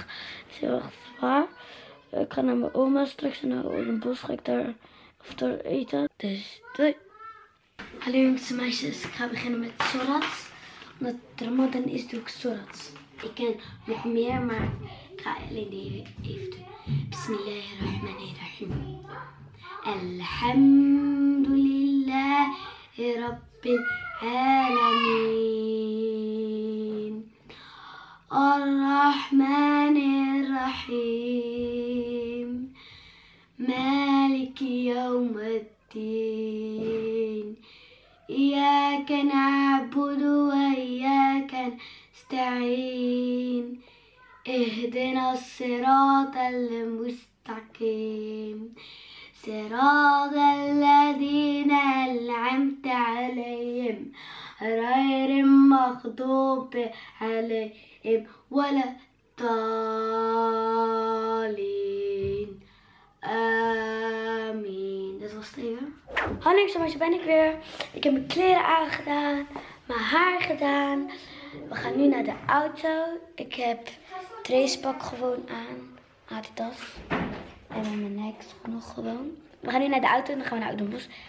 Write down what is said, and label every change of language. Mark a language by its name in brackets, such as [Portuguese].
[Dutch] Het is heel erg zwaar. Ik ga naar mijn oma straks en naar het bos ga ik daar of daar eten. Dus doei. Hallo jongens en meisjes, ik ga beginnen met Sorat. Omdat het Ramadan is, doe ik Sorat. Ik ken nog meer, maar ik ga alleen even doen. Bismillahirrahmanirrahim. [Arabic] الحمد لله رب العالمين الرحمن الرحيم مالك يوم الدين إياك نعبد وإياك نستعين اهدنا الصراط المستقيم صراط الذين أنعمت عليهم غير المغضوب عليهم ولا الضالين آمين. [Dutch] Dat was het even. Hallo, zo ben ik weer. Ik heb mijn kleren aangedaan, mijn haar gedaan. We gaan nu naar de auto. Ik heb het racepak gewoon aan. Adidas. En mijn nekstok nog gewoon. We gaan nu naar de auto en dan gaan we naar Oud Den Bosch.